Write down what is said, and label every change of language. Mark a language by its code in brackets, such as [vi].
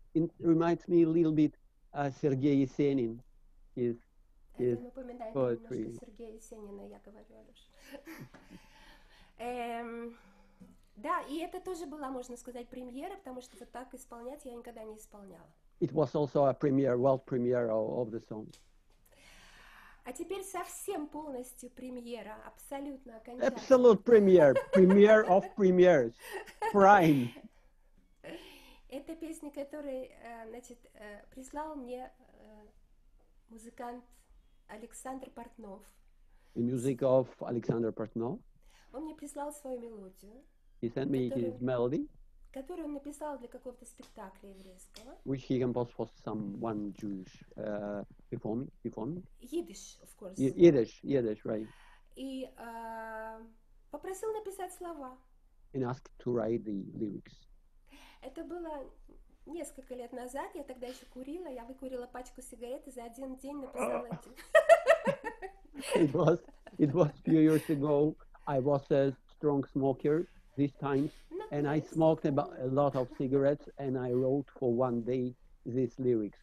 [en] It reminds me a little bit Сергей Есенин. [ru] Это напоминает poetry. Немножко Сергея Есенина, я говорю, Алёша. Да, и это тоже была, можно сказать, премьера, потому что вот так исполнять я никогда не исполняла. [en] It was also a premiere, world premiere of the song. [ru] А теперь совсем полностью премьера, абсолютно окончательно. [en] Absolute premiere, premiere of premieres, prime. [ru] Это песня, которую, значит, прислал мне музыкант Александр Портнов. [en] The music of Alexander Portnov. [ru] Он мне прислал свою мелодию. [en] He sent me his melody. [ru] Который он написал для какого-то спектакля еврейского. [en] Which he composed for someone Jewish performing. Yiddish, of course. Yiddish, right. [ru] И попросил написать слова. [en] And asked to write the lyrics. [ru] Это было несколько лет назад. Я тогда еще курила. Я выкурила пачку сигарет и за один день написала эти. [en] It was few years ago. I was a strong smoker. This time, and I smoked about a lot of cigarettes, and I wrote for one day these lyrics.